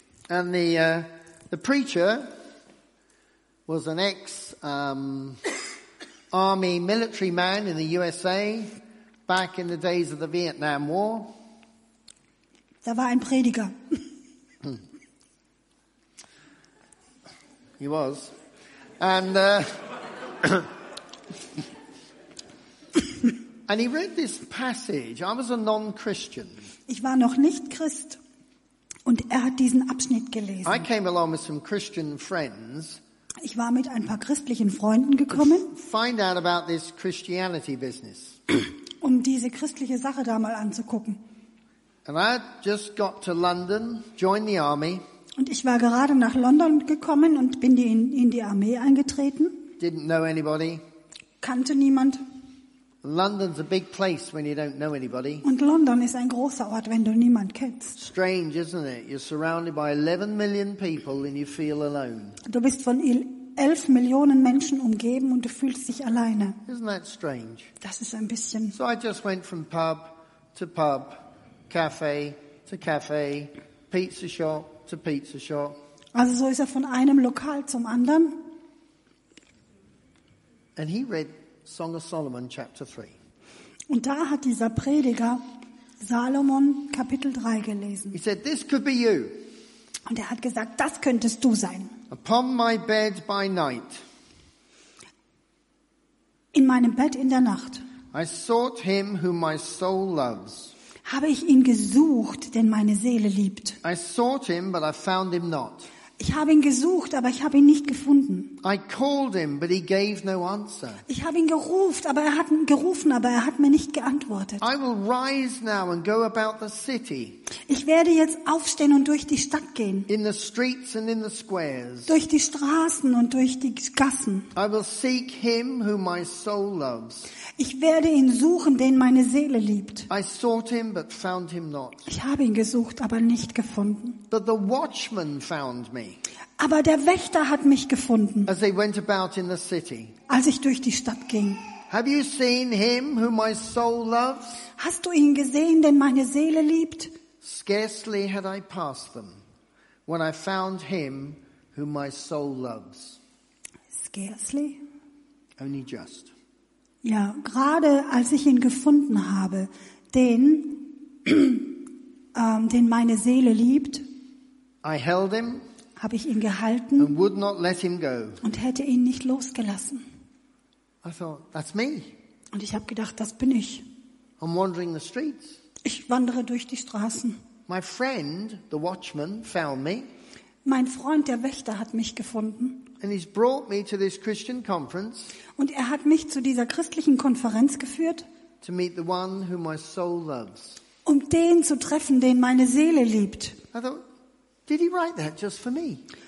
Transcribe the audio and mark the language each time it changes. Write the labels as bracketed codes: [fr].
[en] And the preacher was an ex army military man in the USA back in the days of the Vietnam War. [de] Da war ein Prediger. [en] He was. And and he read this passage. I was a non-Christian. [de] Ich war noch nicht Christ. Und er hat diesen Abschnitt gelesen. [en] I came along with some Christian friends. [de] Ich war mit ein paar christlichen Freunden gekommen. [en] Find out about this Christianity business. [de] Um diese christliche Sache da mal anzugucken. [en] And I just got to London, joined the army. [de] Und ich war gerade nach London gekommen und bin in die Armee eingetreten. [en] Didn't know anybody. [de] Kannte niemand. [en] London's a big place when you don't know anybody. [de] Und London ist ein großer Ort, wenn du niemand kennst. [en] Strange, isn't it? You're surrounded by 11 million people and you feel alone. [de] Du bist von 11 Millionen Menschen umgeben und du fühlst dich alleine. [en] Isn't that strange? [de] Das ist ein bisschen. [en] So I just went from pub to pub, cafe to cafe, pizza shop to pizza shop. [de] Also so ist er von einem Lokal zum anderen. [en] And he read Song of Solomon, chapter 3. [de] Und da hat dieser Prediger Salomon Kapitel 3 gelesen. [en] He said, "This could be you." [de] Und er hat gesagt, das könntest du sein. [en] Upon my bed by night. [de] In meinem Bett in der Nacht. [en] I sought him whom my soul loves. [de] Habe ich ihn gesucht, den meine Seele liebt. [en] I sought him, but I found him not. [de] Ich habe ihn gesucht, aber ich habe ihn nicht gefunden. [en] I called him, but he gave no answer. [de] Ich habe ihn gerufen, aber er hat mir nicht geantwortet. [en] I will rise now and go about the city. [de] Ich werde jetzt aufstehen und durch die Stadt gehen. [en] In the streets and in the squares. [de] Durch die Straßen und durch die Gassen. [en] I will seek him whom my soul loves. [de] Ich werde ihn suchen, den meine Seele liebt. [en] I sought him, but found him not. [de] Ich habe ihn gesucht, aber nicht gefunden. [en] But the watchman found me. [de] Aber der Wächter hat mich gefunden. [en] As they went about in the city. [de] Als ich durch die Stadt ging. [en] Have you seen him whom my soul loves? [de] Hast du ihn gesehen, den meine Seele liebt? [en] Scarcely had I passed them, when I found him whom my soul loves. Scarcely? Only just. [de] Ja, gerade als ich ihn gefunden habe, den meine Seele liebt, [en] I held him, [de] habe ich ihn gehalten [en] and would not let him go. [de] Und hätte ihn nicht losgelassen. [en] I thought, that's me. [de] Und ich habe gedacht, das bin ich. [en] I'm wandering the streets. [de] Ich wandere durch die Straßen. [en] My friend, the watchman, found me. [de] Mein Freund, der Wächter, hat mich gefunden. [en] And he's brought me to this Christian conference. [de] Und er hat mich zu dieser christlichen Konferenz geführt. [en] To meet the one whom my soul loves. [de] Um den zu treffen, den meine Seele liebt. [en] I thought, did he write that just for me?